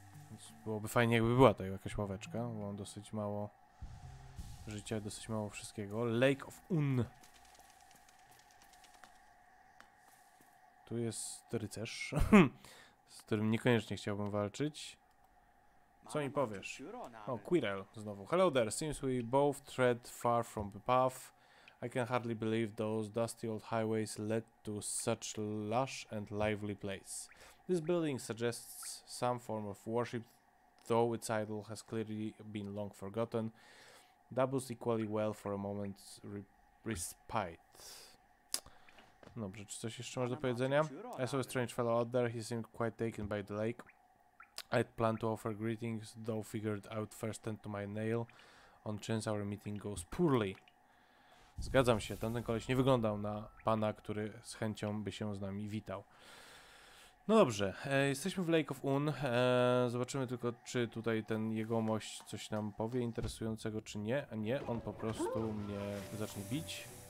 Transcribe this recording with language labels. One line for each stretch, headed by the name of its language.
Polish: Więc byłoby fajnie, jakby była to jakaś ławeczka, bo on dosyć mało życia, dosyć mało wszystkiego. Lake of Un. Tu jest rycerz, z którym niekoniecznie chciałbym walczyć. Co mi powiesz? O, Quirrell znowu.
English: Hello there, seems we both tread far from the path. I can hardly believe those dusty old highways led to such lush and lively place. This building suggests some form of worship, though its idol has clearly been long forgotten. Doubles equally well for a moment's respite.
Polish: Dobrze, czy coś jeszcze masz do powiedzenia?
English: I saw a strange fellow out there, he seemed quite taken by the lake. I'd planned to offer greetings, though figured out first tend to my nail on chance our meeting goes poorly.
Polish: Zgadzam się, tamten koleś nie wyglądał na pana, który z chęcią by się z nami witał. No dobrze, jesteśmy w Lake of Un. Zobaczymy tylko, czy tutaj ten jegomość coś nam powie interesującego, czy nie. A nie, on po prostu mnie zacznie bić.